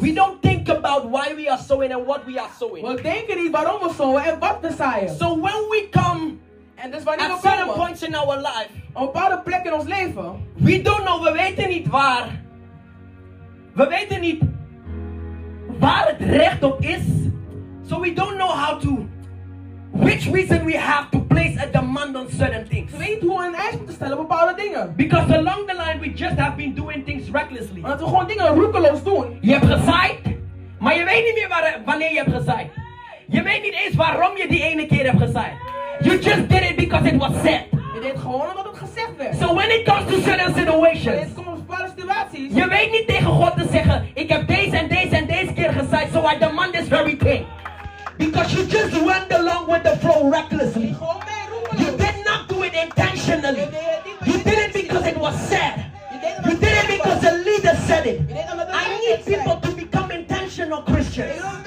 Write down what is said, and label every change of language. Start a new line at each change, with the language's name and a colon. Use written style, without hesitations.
English: We don't think about why we are sowing and what we are sowing.
Dutch: We denken niet waarom we sowen en wat we zaaien.
English: So when we come.
Dutch: En dus wanneer
English: at we certain
Dutch: komen,
English: points in our life,
Dutch: op bepaalde plekken in ons leven,
English: we don't know,
Dutch: we weten niet waar, we weten niet waar het recht op is,
English: so we don't know how to, which reason we have to place a demand on certain things.
Dutch: We weten hoe we een eis moeten stellen op bepaalde dingen.
English: Because along the line we just have been doing things recklessly.
Dutch: Omdat we gewoon dingen roekeloos doen. Je hebt gezaaid, maar je weet niet meer wanneer je hebt gezaaid. Je weet niet eens waarom je die ene keer hebt gezaaid.
English: You just did it because it was said.
Dutch: Je deed gewoon omdat het gezegd werd.
English: So when it comes to certain situations.
Dutch: Komt op bepaalde situaties. Je weet niet tegen God te zeggen. Ik heb deze en deze en deze keer gezegd.
English: So I demand this very thing. Because you just went along with the flow recklessly. You did not do it intentionally. You did it because it was said. You did it because the leader said it. I need people to become intentional Christians.